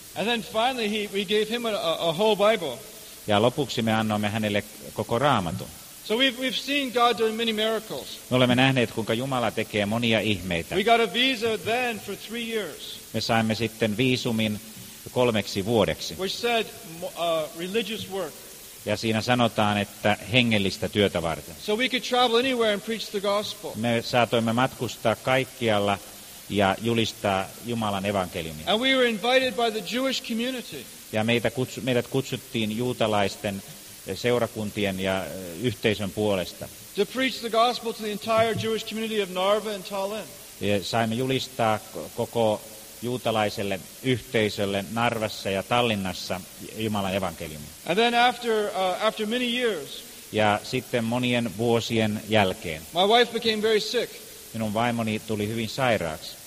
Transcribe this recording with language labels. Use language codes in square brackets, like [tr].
[en] And then finally we gave him a whole Bible. [fi] Ja lopuksi me annoimme hänelle koko raamatun. [en] So we've seen God doing many miracles. [fi] Me olemme nähneet, kuinka Jumala tekee monia ihmeitä. [en] We got a visa then for 3 years. [fi] Me saimme sitten viisumin 3 vuodeksi. [en] Which said religious work. [fi] Ja siinä sanotaan, että hengellistä työtä varten. [en] So we could travel anywhere and preach the gospel. [fi] Me saatoimme matkustaa kaikkialla ja julistaa Jumalan evankeliumia. [en] And we were invited by the Jewish community. [fi] Ja meidät kutsuttiin juutalaisten seurakuntien ja yhteisön puolesta. [en] To preach the gospel to the entire Jewish community of Narva and Tallinn. [fi] Ja saimme julistaa koko juutalaiselle yhteisölle Narvassa ja Tallinnassa Jumalan evankeliumia. [en] And then after many years. [fi] Ja sitten monien vuosien jälkeen. [en] My wife became very sick. [fi] Minun vaimoni tuli hyvin sairaaksi.